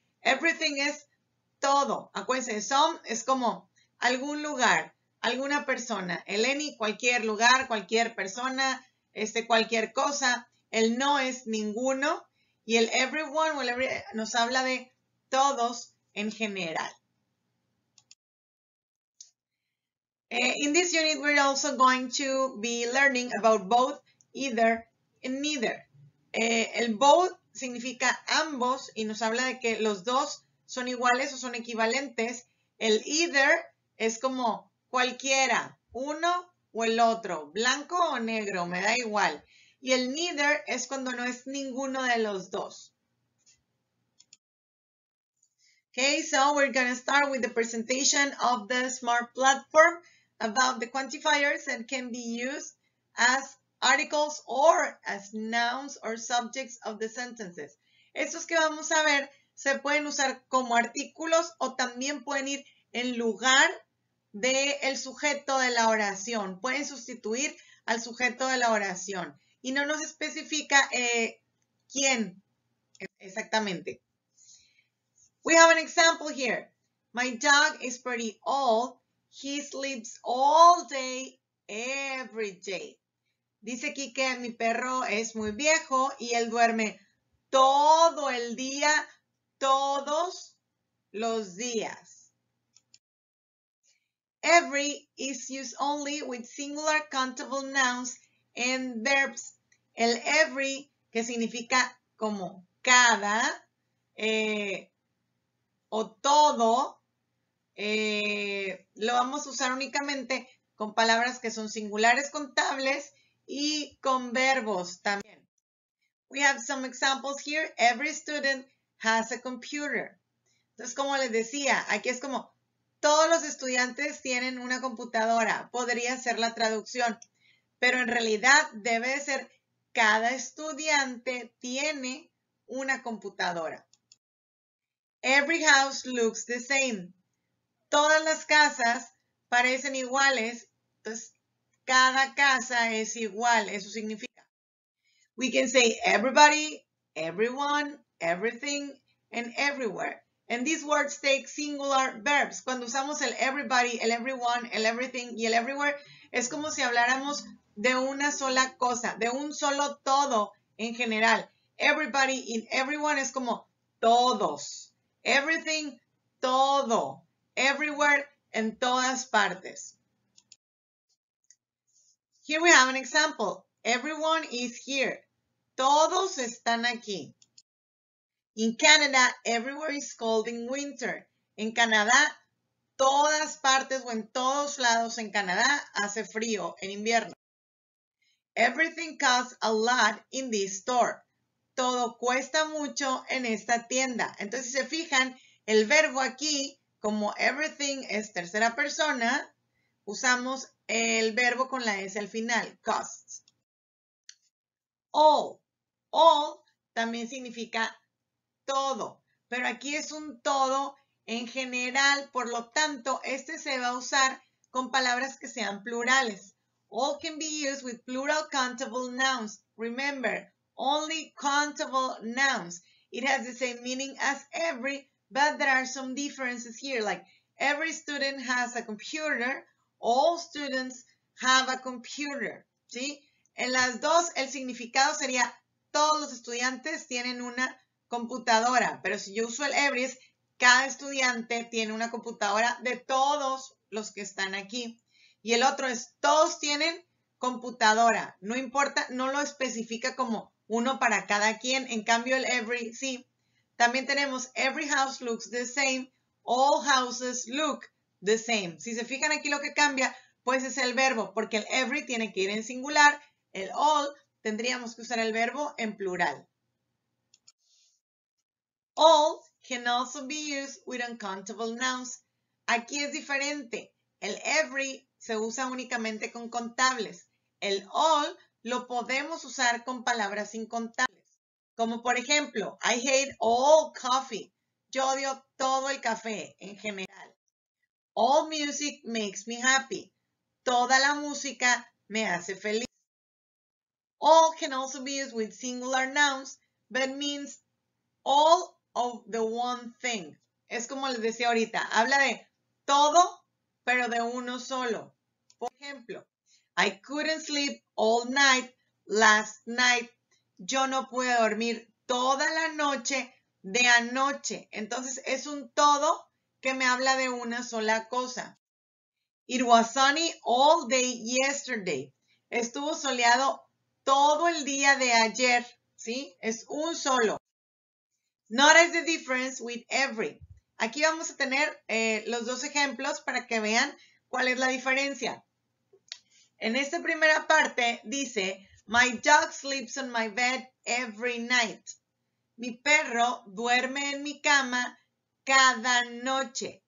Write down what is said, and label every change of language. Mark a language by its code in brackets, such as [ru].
[es] Everything es todo. Acuérdense, some es como algún lugar, alguna persona. El any, cualquier lugar, cualquier persona, cualquier cosa. El no es ninguno. Y el everyone o el every, nos habla de todos en general. [en] In this unit, we're also going to be learning about both, either, and neither. [es] El both significa ambos y nos habla de que los dos son iguales o son equivalentes. El either es como cualquiera, uno o el otro, blanco o negro, me da igual. Y el neither es cuando no es ninguno de los dos. [en] Okay, so we're going to start with the presentation of the SMART platform about the quantifiers that can be used as articles or as nouns or subjects of the sentences. [es] Estos que vamos a ver se pueden usar como artículos o también pueden ir en lugar del sujeto de la oración. Pueden sustituir al sujeto de la oración. Y no nos especifica quién exactamente. [en] We have an example here. My dog is pretty old. He sleeps all day, every day. [es] Dice aquí que mi perro es muy viejo y él duerme todo el día, todos los días. [en] Every is used only with singular countable nouns and verbs. [es] El every, que significa como cada o todo, lo vamos a usar únicamente con palabras que son singulares contables y con verbos también. [en] We have some examples here. Every student has a computer. [es] Entonces, como les decía, aquí es como todos los estudiantes tienen una computadora. Podría ser la traducción, pero en realidad debe de ser cada estudiante tiene una computadora. [en] Every house looks the same. [es] Todas las casas parecen iguales. Entonces, cada casa es igual. Eso significa. [en] We can say everybody, everyone, everything, and everywhere. And these words take singular verbs. [es] Cuando usamos el everybody, el everyone, el everything y el everywhere, es como si habláramos de una sola cosa, de un solo todo en general. Everybody in everyone es como todos. Everything, todo. Everywhere, en todas partes. [en] Here we have an example. Everyone is here. [es] Todos están aquí. [en] In Canada, everywhere is cold in winter. [es] En Canadá, todas partes o en todos lados en Canadá hace frío en invierno. [en] Everything costs a lot in this store. [es] Todo cuesta mucho en esta tienda. Entonces, si se fijan, el verbo aquí, como everything es tercera persona, usamos el verbo con la S al final, costs. All también significa todo, pero aquí es un todo en general, por lo tanto, este se va a usar con palabras que sean plurales. [en] All can be used with plural countable nouns. Remember, only countable nouns. It has the same meaning as every, but there are some differences here, like every student has a computer. All students have a computer. [es] ¿Sí? En las dos, el significado sería todos los estudiantes tienen una computadora, pero si yo uso el every, es cada estudiante tiene una computadora de todos los que están aquí. Y el otro es, todos tienen computadora. No importa, no lo especifica como uno para cada quien. En cambio, el every, sí. También tenemos, [en] every house looks the same. All houses look. The same. [es] Si se fijan aquí lo que cambia, pues es el verbo, porque el every tiene que ir en singular, el all tendríamos que usar el verbo en plural. [en] All can also be used with uncountable nouns. [es] Aquí es diferente. El every se usa únicamente con contables. El all lo podemos usar con palabras incontables. Como por ejemplo, [en] I hate all coffee. [es] Yo odio todo el café en general. [en] All music makes me happy. [es] Toda la música me hace feliz. [en] All can also be used with singular nouns, but means all of the one thing. [es] Es como les decía ahorita, habla de todo, pero de uno solo. Por ejemplo, [en] I couldn't sleep all night last night. [es] Yo no pude dormir toda la noche de anoche. Entonces, es un todo que me habla de una sola cosa. [en] It was sunny all day yesterday. [es] Estuvo soleado todo el día de ayer, ¿sí? Es un solo. [en] Notice the difference with every. [es] Aquí vamos a tener los dos ejemplos para que vean cuál es la diferencia. En esta primera parte dice, [en] my dog sleeps on my bed every night. [es] Mi perro duerme en mi cama cada noche.